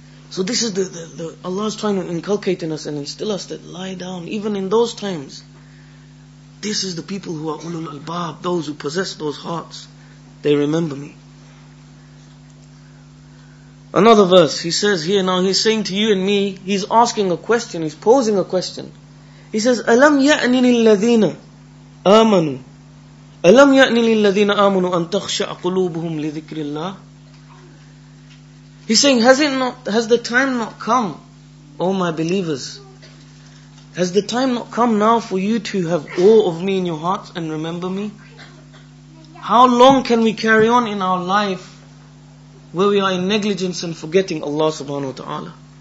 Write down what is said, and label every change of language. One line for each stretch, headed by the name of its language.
English: So this is the Allah is trying to inculcate in us and instill us that lie down, even in those times. This is the people who are ulul albab, those who possess those hearts. They remember me. Another verse, he says here now, he's saying to you and me, he's asking a question, he's posing a question. He says,
Arabic: أَلَمْ يَأْنِ لِلَّذِينَ آمَنُوا أَلَمْ يَأْنِ لِلَّذِينَ آمَنُوا أَنْ تَخْشَعَ قُلُوبُهُمْ لِذِكْرِ اللَّهِ.
English: He's saying, has the time not come, O my believers? Has the time not come now for you to have awe of me in your hearts and remember me? How long can we carry on in our life where we are in negligence and forgetting Allah subhanahu wa ta'ala?